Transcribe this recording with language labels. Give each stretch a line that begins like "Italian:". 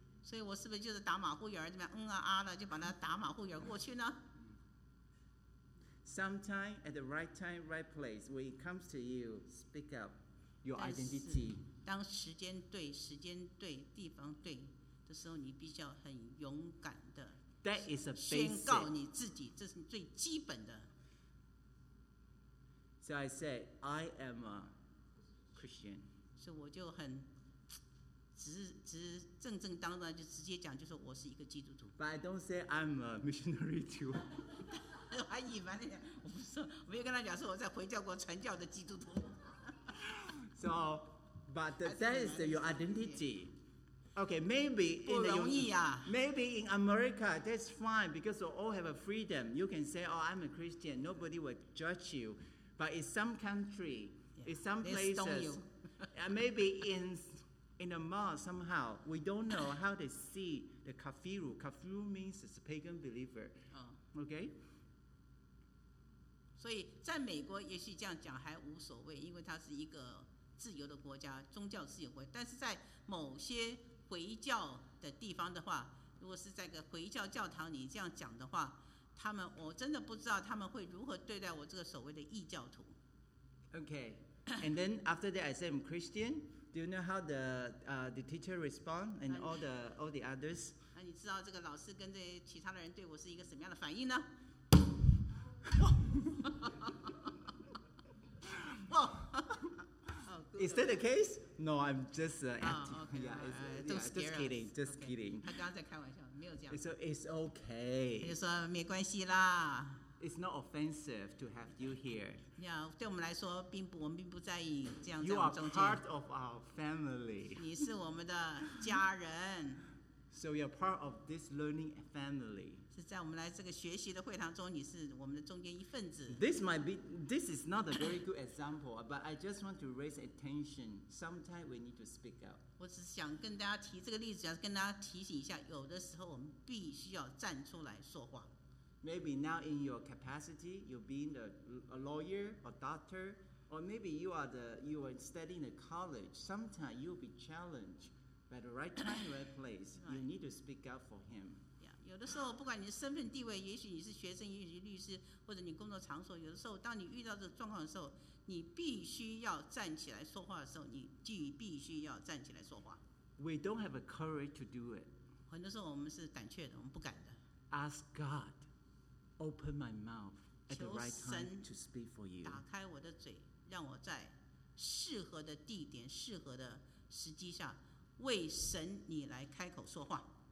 Chinese: 所以我是不是就是打马虎眼儿，这边嗯啊啊的，就把那打马虎眼过去呢？
English: Sometime at the right time, right place, when it comes to you, speak up your identity.
Chinese: 当时间对，时间对，地方对的时候，你必须要很勇敢的。
English: That is a basic.
Chinese: 宣告你自己，这是最基本的。
English: So I said, I am a Christian.
Chinese: 所以我就很。直正当当就直接讲，就说我是一个基督徒。
English: But I don't say I'm a missionary too.
Chinese: 我还以为呢，我不是，我没有跟他讲说我在回教国传教的基督徒。
English: So, but that is your identity. Okay, maybe in the maybe in America that's fine because we all have a freedom. You can say, oh, I'm a Christian. Nobody will judge you. But in some country, in some places, maybe in a mosque, somehow, we don't know how they see the kafiru. Kafiru means it's a pagan believer. Okay? So, in America, maybe this is what they say, because it's a free country, a religious free country. But in some Christian places, if you're in a Christian church, you say this, I really don't know how they would treat me as a so-called Christian. Okay. And then after that, I say I'm Christian. Do you know how the teacher respond and all the others?
Chinese: 那你知道这个老师跟这其他的人对我是一个什么样的反应呢？
English: Is that the case? No, I'm just acting. Oh, okay. Yeah, it's just kidding. Just kidding.
Chinese: 他刚刚在开玩笑，没有这样。
English: It's okay.
Chinese: 他就说没关系啦。
English: It's not offensive to have you here.
Chinese: Yeah, 对我们来说，并不，我们并不在意这样。
English: You are part of our family.
Chinese: 你是我们的家人。
English: So you're part of this learning family.
Chinese: 是在我们来这个学习的会堂中，你是我们的中间一份子。
English: This is not a very good example, but I just want to raise attention. Sometimes we need to speak out.
Chinese: 我只想跟大家提这个例子，要跟大家提醒一下，有的时候我们必须要站出来说话。
English: Maybe now in your capacity, you're being a lawyer, a doctor, or maybe you are studying a college. Sometimes you'll be challenged by the right time, right place. You need to speak up for him.
Chinese: Yeah, 有的时候不管你身份地位，也许你是学生，也许是律师，或者你工作场所，有的时候当你遇到这状况的时候，你必须要站起来说话的时候，你必须要站起来说话。
English: We don't have a courage to do it.
Chinese: 很多时候我们是胆怯的，我们不敢的。
English: Ask God. Open my mouth at the right time to speak for you.
Chinese: 打开我的嘴，让我在适合的地点、适合的时机下为神你来开口说话。